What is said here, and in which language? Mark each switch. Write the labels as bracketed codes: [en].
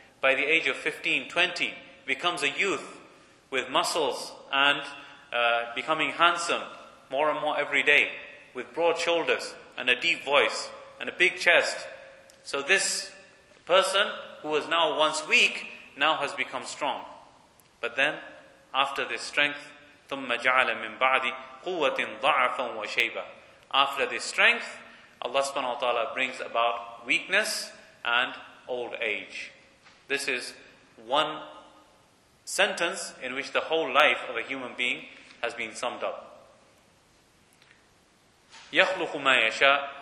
[en] By the age of 15, 20, becomes a youth with muscles and becoming handsome more and more every day, with broad shoulders and a deep voice and a big chest. So this person who was now once weak, now has become strong. But then, after this strength, [ar] ثُمَّ جَعَلَ مِنْ بَعْدِ قُوَّةٍ ضَعَفًا وَشَيْبًا. [en] After this strength, Allah subhanahu wa ta'ala brings about weakness and old age. This is one sentence in which the whole life of a human being has been summed up. [ar] يَخْلُقُ مَا يَشَاءُ.